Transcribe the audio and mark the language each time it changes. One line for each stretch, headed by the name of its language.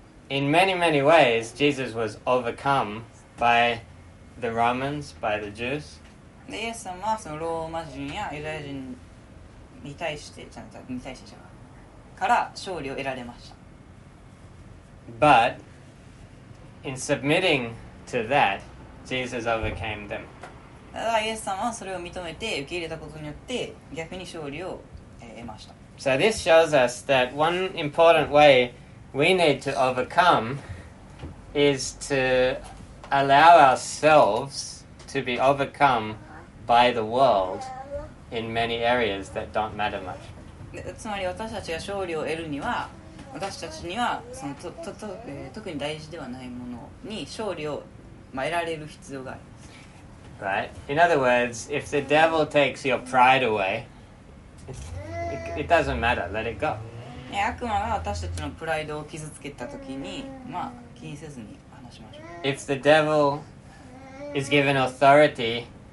English: In many, many ways, Jesus was overcome by the Romans, by the Jews.
Japanese: でイエス様はそのローマ人やユダヤ人に対してちゃんと に対してから勝利を得られました。
English: But in submitting to that, Jesus overcame them.
Japanese: ただイエス様はそれを認めて受け入れたことによって逆に勝利を得ました。
English: So this shows us that one important way we need to overcome is to allow ourselves to be overcome. By the world in many areas that don't matter much.
Japanese: つまり私たちが勝利を得るには、私たちにはそのとと、特に大事ではないものに勝利を、まあ、得られる必要があります。
English: Right. In other words, if the devil takes your pride away, it doesn't matter. Let it go.
Japanese: 悪魔が私たちのプライドを傷つけたときに、まあ、気にせずに話しましょう。
English: If the devil is given authority.